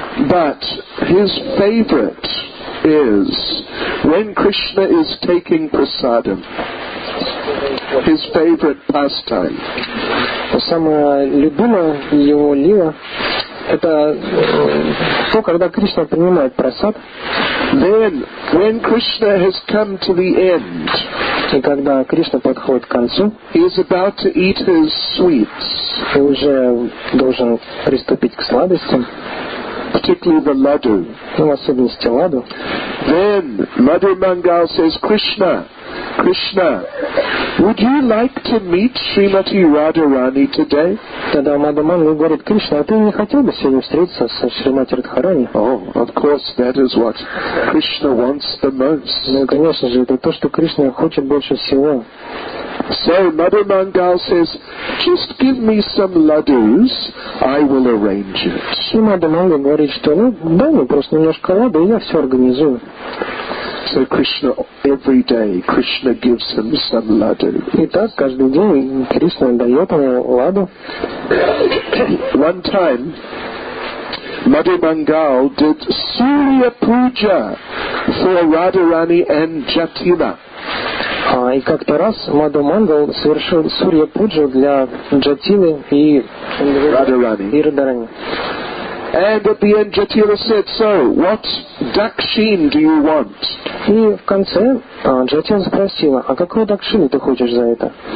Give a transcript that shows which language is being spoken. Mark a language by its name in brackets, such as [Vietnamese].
[English] But his favorite is when Krishna is taking prasadam. His favorite pastime. [Russian] Самое любимое его лила это то, когда Кришна принимает прасад. [English] Then, when Krishna has come to the end, [Russian] и когда Кришна подходит к концу, [English] he is about to eat his sweets. [Russian] И уже должен приступить к сладостям. [English] Particularly the laddu. [Russian] Ну, в особенности ладу. [English] Then Madhu Mangal says, Krishna, Krishna, would you like to meet Srimati Radharani today? [Russian] Тогда Madhu Mangal говорит, Кришна, а ты не хотел бы сегодня встретиться со Шримати Радхарани? [English] Oh, of course, that is what Krishna wants the most. [Russian] Ну, конечно же, это то, что Кришна хочет больше всего. [English] So Madhu Mangal says, just give me some laddus, I will arrange it. [Russian] И Madhu Mangal говорит, что, ну, дай мне просто немножко лады, и я все организую. [English] So Krishna, every day, Krishna gives him some laddu. [Russian] И так, каждый день Кришна дает ему ладу. [English] One time, Madhu Mangal did Surya Puja for Radharani and Jatila. [Russian] И как-то раз Маду Мангал совершил Сурья Пуджу для Джатилы и Радарани. [English] And at the end, Jatila said, "So, what dakshin do you want?" [Russian] И в конце Джатила спросила, "А какую дакшину ты хочешь за это?"